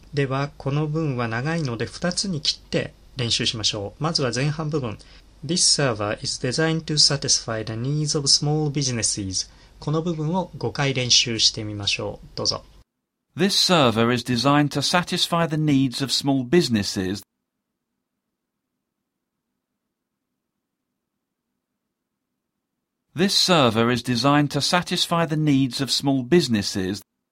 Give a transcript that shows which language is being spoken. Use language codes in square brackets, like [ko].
[ja] ではこの文は長いので2つに切って練習しましょう。まずは前半部分。 [en] This server is designed to satisfy the needs of small businesses. [ja] この部分を5回練習してみましょう。どうぞ。 [en] This server is designed to satisfy the needs of small businesses. This server is designed to satisfy the needs of small businesses.